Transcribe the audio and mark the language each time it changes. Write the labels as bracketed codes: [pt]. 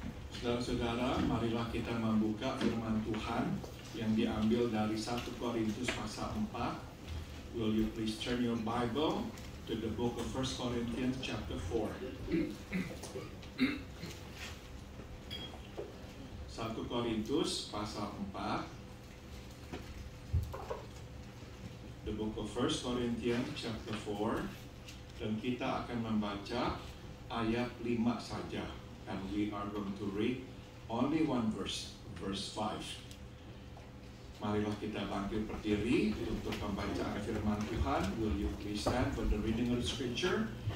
[id] Saudara-saudara, marilah kita membuka firman Tuhan yang diambil dari 1 Korintus pasal 4. [en] Will you please turn your Bible to the book of 1 Corinthians chapter 4. [id] 1 Korintus pasal 4. [en] The book of 1 Corinthians chapter 4. [id] Dan kita akan membaca ayat 5 saja. [en] And we are going to read only one verse, verse 5. [id] Marilah kita bangkit berdiri untuk pembacaan firman Tuhan. [en] Will you please stand for the reading of the scripture?